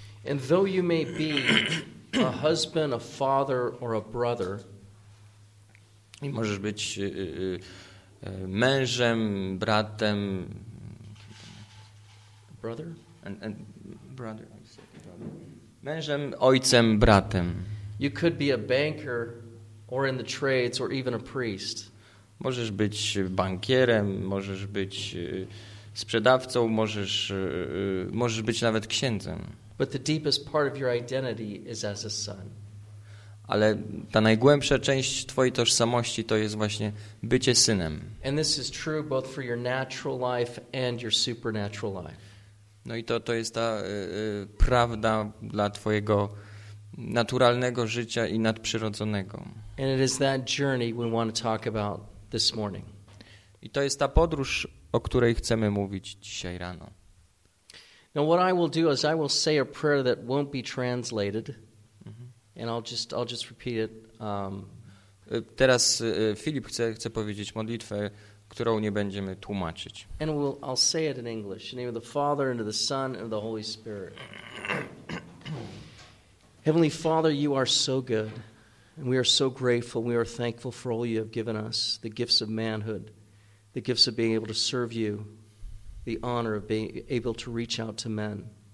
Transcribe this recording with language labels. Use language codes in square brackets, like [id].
[en] And though you may be a husband, a father, or a brother, [pl] i możesz być mężem, bratem, [en] brother, and brother, [pl] mężem, ojcem, bratem. [en] You could be a banker, or in the trades, or even a priest. [pl] Możesz być bankierem, możesz być sprzedawcą, możesz być nawet księdzem. [en] But the deepest part of your identity is as a son. [pl] Ale ta najgłębsza część twojej tożsamości to jest właśnie bycie synem. [en] And this is true both for your natural life and your supernatural life. [pl] No i to jest ta prawda dla twojego naturalnego życia i nadprzyrodzonego. [en] And it is that journey we want to talk about this morning. [pl] I to jest ta podróż, o której chcemy mówić dzisiaj rano. [en] Now what I will do is I will say a prayer that won't be translated. And I'll just repeat it. [pl] Teraz Filip chce powiedzieć modlitwę, którą nie będziemy tłumaczyć. [en] And I'll say it in English, in the name of the Father and of the Son and of the Holy Spirit. Heavenly Father, you are so good, and we are so grateful. We are thankful for all you have given us, the gifts of manhood, the gifts of being able to serve you, the honor of being able to reach out to men.